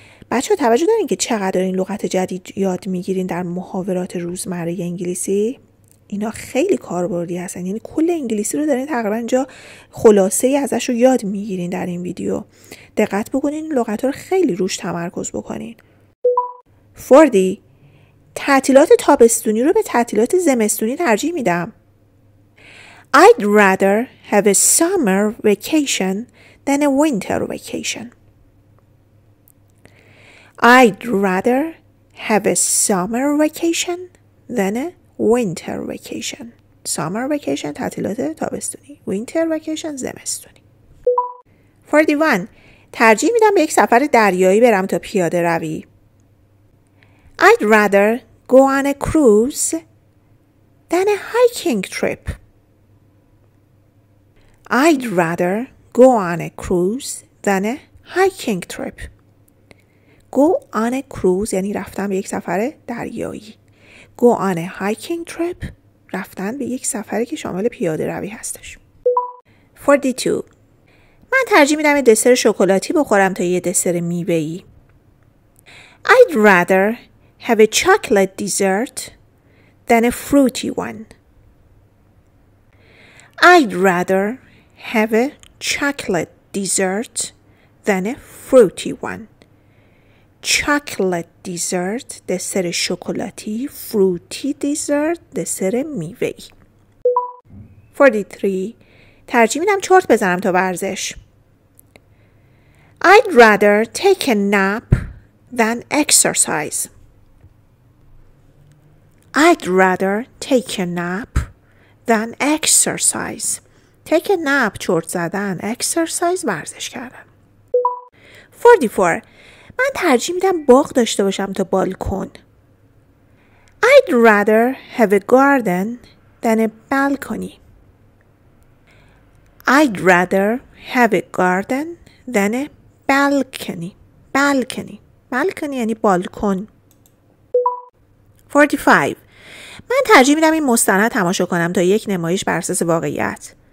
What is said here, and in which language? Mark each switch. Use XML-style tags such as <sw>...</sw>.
<fa>بچه ها توجه دارین که چقدر این لغت جدید یاد میگیرین در محاورات روزمره انگلیسی؟ اینا خیلی کاربردی هستن. یعنی کل انگلیسی رو دارین تقریبا اینجا خلاصه ای ازش رو یاد میگیرین در این ویدیو. دقت بکنین لغت ها رو خیلی روش تمرکز بکنین. 40 تعطیلات تابستونی رو به تعطیلات زمستونی ترجیح میدم.</fa> <en>I'd rather have a summer vacation than a winter vacation. I'd rather have a summer vacation than a winter vacation. Summer vacation</en> <fa>تعطیلات تابستونی.</fa> <en>Winter vacation</en> <fa>زمستونی. 41 ترجیح میدم به یک سفر دریایی برم تا پیاده روی.</fa> <en>I'd rather go on a cruise than a hiking trip. I'd rather go on a cruise than a hiking trip. Go on a cruise</en> <fa>یعنی رفتن به یک سفر دریایی.</fa> <en>Go on a hiking trip</en> <fa>رفتن به یک سفری که شامل پیاده روی هستش. 42 من ترجیح میدم یه دسر شکلاتی بخورم تا یه دسر میوه‌ای.</fa> <en>I'd rather have a chocolate dessert than a fruity one. I'd rather have a chocolate dessert than a fruity one. Chocolate dessert</en> <fa>دسر شکلاتی.</fa> <en>Fruity dessert</en> <fa>دسر میوه‌ای. 43 ترجیح میدم چرت بزنم تا ورزش.</fa> <en>I'd rather take a nap than exercise. I'd rather take a nap than exercise. Take a nap</en> <fa>چرت زدن.</fa> <en>Exercise</en> <fa>ورزش کردن. 44 من ترجیح میدم باغ داشته باشم تا بالکن.</fa> <en>I'd rather have a garden than a balcony. I'd rather have a garden than a balcony. Balcony. Balcony</en> <fa>یعنی بالکن. 45 من ترجیح میدم این مستند تماشا کنم تا یک نمایش بر اساس واقعیت.</fa>